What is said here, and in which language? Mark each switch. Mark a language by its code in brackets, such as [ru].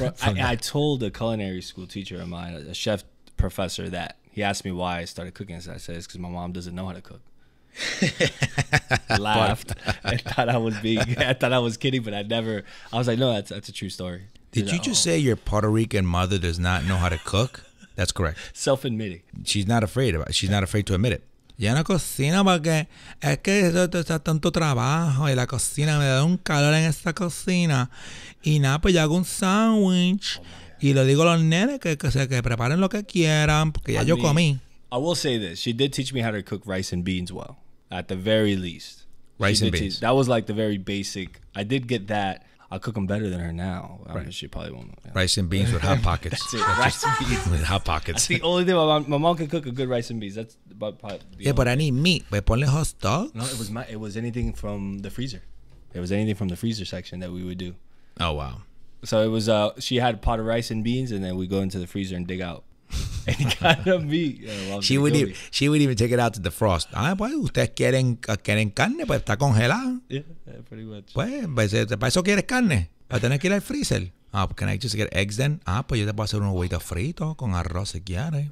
[en] I told a culinary school teacher of mine, a chef professor, that he asked me why I started cooking. So I said, it's because my mom doesn't know how to cook. Laughed. I thought I was kidding, but I was like, no, that's a true story. Did you just say your Puerto Rican mother does not know how to cook? That's correct. Self-admitting. She's not afraid to admit it. [es] Ya no cocino porque es que está tanto trabajo y la cocina me da un calor en esta cocina. Y nada, pues yo hago un sándwich y le digo a los nenes que preparen lo que quieran porque ya yo comí. [en] I will say this. She did teach me how to cook rice and beans well, at the very least. Rice and beans. That was like the very basic. I did get that. I cook them better than her now. Right. I mean, she probably won't. Yeah. Rice and beans with Hot Pockets. That's it. Rice and beans. With Hot Pockets. That's the only thing my mom can cook, a good rice and beans. That's about probably. Yeah, but I need meat. But [es] ponle [en] hot dogs? No, it was anything from the freezer. It was anything from the freezer section that we would do. Oh, wow. So it was, she had a pot of rice and beans, and then we go into the freezer and dig out any kind of meat. She would even take it out to defrost. [es] Ah, pues, ustedes quieren carne, pues está congelada. [en] Yeah, pretty much. [es] Pues, para eso quieres carne, para tener que ir al freezer. [en] Ah, can I just get eggs then? [es] Ah, pues yo te puedo hacer unos huevitos fritos con arroz si quieres.